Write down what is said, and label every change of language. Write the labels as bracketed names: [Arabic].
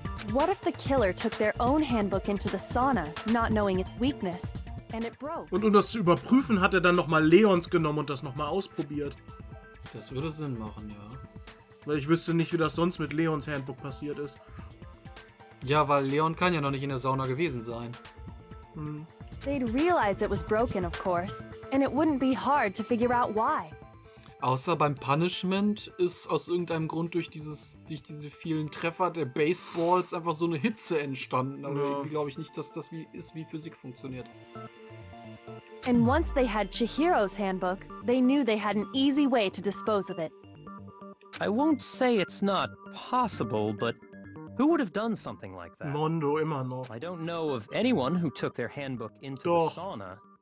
[English] What if the killer took their own handbook into the sauna, not knowing its weakness, and it broke? [German] Und um das zu überprüfen, hat er dann nochmal Leons genommen und das nochmal ausprobiert. Das würde Sinn machen, ja. Weil ich wüsste nicht, wie das sonst mit Leons Handbook passiert ist. Ja, weil Leon kann ja noch nicht in der Sauna gewesen sein. [English] They'd realize it was broken, of course. And it wouldn't be hard to figure out why. [German] Außer beim Punishment ist aus irgendeinem Grund durch diese vielen Treffer der Baseballs einfach so eine Hitze entstanden. Aber ja. Glaube ich nicht, dass das wie ist, wie Physik funktioniert. [English] And once they had Chihiro's handbook, they knew they had an easy way to dispose of it. I won't say it's not possible, but who would have done something like that? [German] Mondo immer noch. [English] I don't know of anyone who took their handbook into [German] Doch. [English] The sauna.